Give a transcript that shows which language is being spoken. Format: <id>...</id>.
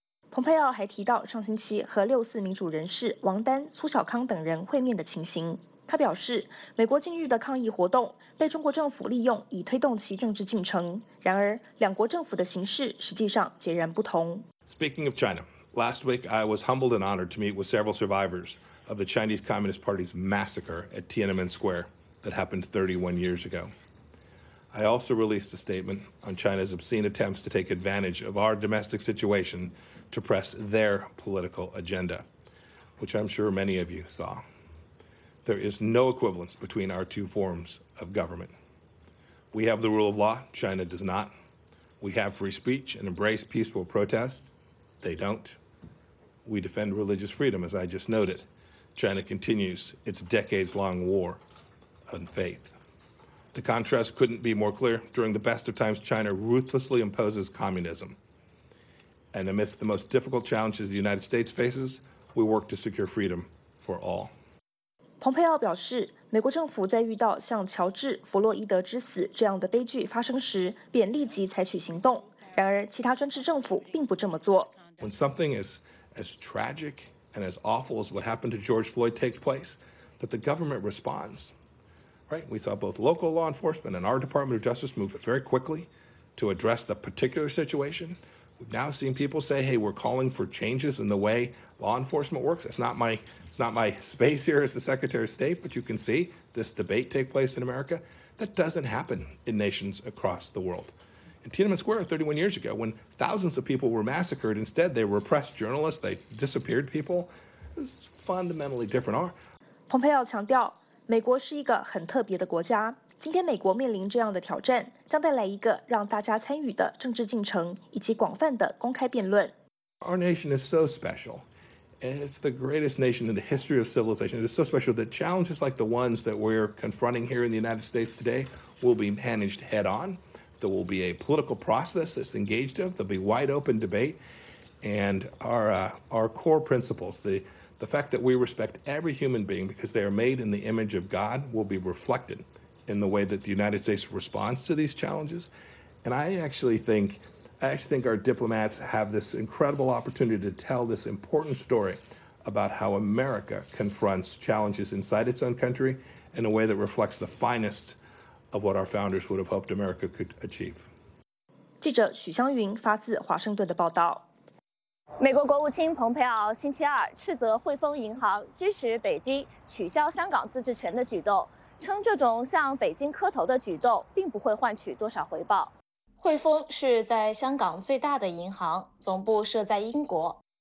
<zh>蓬佩奥还提到上星期和六四民主人士王丹、苏小康等人会面的情形。他表示，美国近日的抗议活动被中国政府利用以推动其政治进程。然而，两国政府的形势实际上截然不同。</zh> <en>Speaking of China, last week I was humbled and honored to meet with several survivors of the Chinese Communist Party's massacre at Tiananmen Square that happened 31 years ago. I also released a statement on China's obscene attempts to take advantage of our domestic situation to press their political agenda, which I'm sure many of you saw. There is no equivalence between our two forms of government. We have the rule of law, China does not. We have free speech and embrace peaceful protest, they don't. We defend religious freedom, as I just noted. China continues its decades-long war on faith. The contrast couldn't be more clear. During the best of times, China ruthlessly imposes communism. And amidst the most difficult challenges the United States faces, we work to secure freedom for all.</en> <zh>蓬佩奥表示，美国政府在遇到像乔治·弗洛伊德之死这样的悲剧发生时，便立即采取行动。然而，其他专制政府并不这么做。</zh> <en>When something is as tragic and as awful as what happened to George Floyd takes place, that the government responds, right? We saw both local law enforcement and our Department of Justice move very quickly to address the particular situation. We've now seen people say, "Hey, we're calling for changes in the way law enforcement works." It's not my space here as the Secretary of State, but you can see this debate take place in America. That doesn't happen in nations across the world. In Tiananmen Square 31 years ago, when thousands of people were massacred, instead they repressed journalists, they disappeared people. It's fundamentally different.</en> <zh>Pompeo 强调，美国是一个很特别的国家。今天美国面临这样的挑战，将带来一个让大家参与的政治进程，以及广泛的公开辩论。</zh> <en>Our nation is so special. It's the greatest nation in the history of civilization. It is so special that challenges like the ones that we're confronting here in the United States today will be managed head on. There will be a political process that's engaged of. There'll be wide open debate. And our core principles, the fact that we respect every human being because they are made in the image of God, will be reflected in the way that the United States responds to these challenges. And I actually think our diplomats have this incredible opportunity to tell this important story about how America confronts challenges inside its own country in a way that reflects the finest of what our founders would have hoped America could achieve.</en> <zh>记者许湘云发自华盛顿的报道。美国国务卿蓬佩奥星期二斥责汇丰银行支持北京取消香港自治权的举动，称这种向北京磕头的举动并不会换取多少回报。汇丰是在香港最大的银行，总部设在英国。</zh>